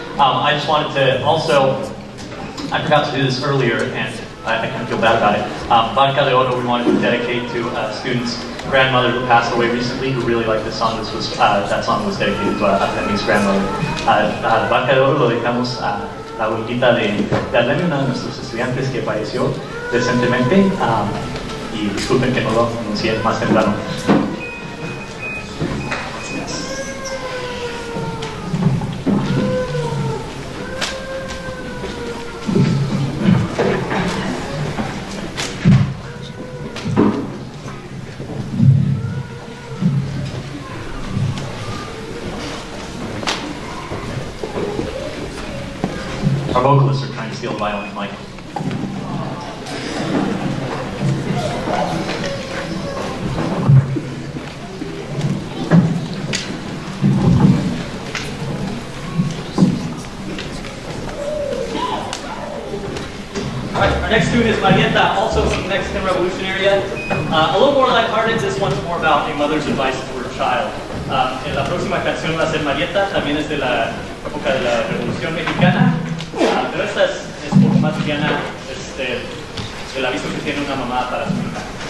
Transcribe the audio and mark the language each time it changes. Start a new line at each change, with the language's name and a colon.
English: I just wanted to also, I forgot to do this earlier, and I kind of feel bad about it. Vodka de Oro, we wanted to dedicate to a student's grandmother who passed away recently, who really liked the song. This was that song was dedicated to Artemis' grandmother.
Spanish: Vodka de Oro, lo dejamos a la boquita de Alem, una de nuestros estudiantes que falleció recientemente. Y disculpen que no lo anuncié más temprano.
English: Our vocalists are trying to steal a violin mic. Alright, our next student is Marieta, also from the Mexican Revolutionary. A little more lighthearted, this one's more about a mother's advice to her child.
Spanish: La próxima canción va a ser Marieta, también es de la época de la Revolución Mexicana. Pero esta es un poco más liviana del aviso que tiene una mamá para su hija.